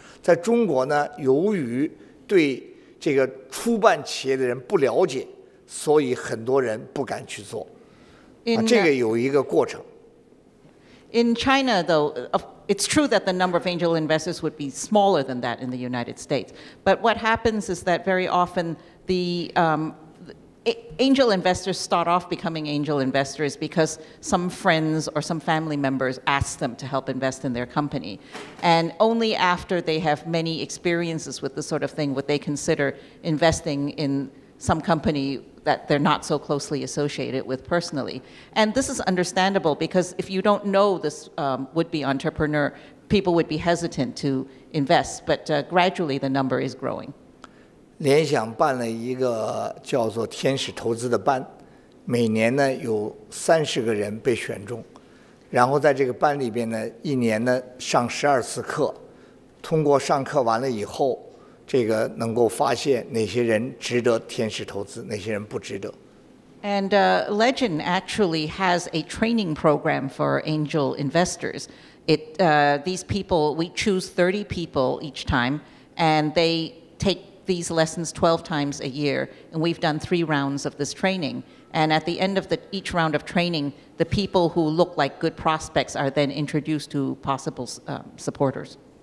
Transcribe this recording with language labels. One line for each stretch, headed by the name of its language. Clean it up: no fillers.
Chinese: 在中国呢，由于对这个初办企业的人不了解，所以很多人不敢去做，这个有一个过程。
English: In China, though, it's true that the number of angel investors would be smaller than that in the United States. But what happens is that very often the angel investors start off becoming angel investors because some friends or some family members ask them to help invest in their company. And only after they have many experiences with this sort of thing would they consider investing in some company that they're not so closely associated with personally. And this is understandable because if you don't know this would-be entrepreneur, people would be hesitant to invest, but gradually the number is growing.
Chinese: 联想办了一个叫做天使投资的班，每年呢有三十个人被选中，然后在这个班里边呢，一年呢上十二次课，通过上课完了以后，这个能够发现哪些人值得天使投资，哪些人不值得。
English: And Legend actually has a training program for angel investors. These people, we choose 30 people each time, and they take these lessons 12 times a year. And we've done three rounds of this training. And at the end of each round of training, the people who look like good prospects are then introduced to possible supporters.